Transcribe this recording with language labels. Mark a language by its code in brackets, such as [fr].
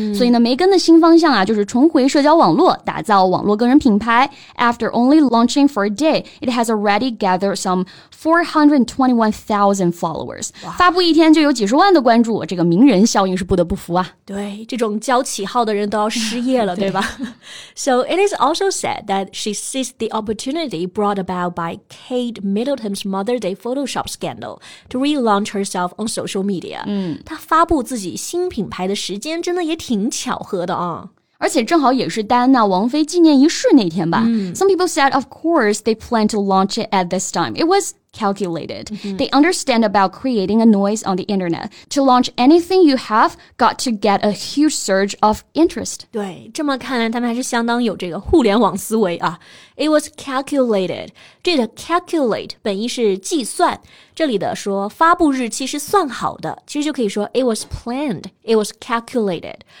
[zh] 所以呢梅根的新方向啊就是重回社交网络，打造网络个人品牌。 [en] After only launching for a day, it has already gathered some 421,000 followers. [zh] 发布一天就有几十万的关注，这个名人效应是不得不服啊。对，这种交起号的人都要失业了对吧。 [en] So it is also said that she seized the opportunity brought about by Kate Middleton's Mother's Day Photoshop scandal to relaunch herself on social media. [zh] 她发布自己新品牌的时间真的也挺巧合的啊。而且正好也是戴安娜王妃纪念仪式那天吧。 [en] Some people said, of course, they plan to launch it at this time. It was calculated. They understand about creating a noise on the internet. To launch anything you have, got to get a huge surge of interest. [zh] 对，这么看来他们还是相当有这个互联网思维啊。 [en] It was calculated. [zh] 这个 calculate 本意是计算，这里的说发布日期是算好的，其实就可以说 [en] it was planned, it was calculated.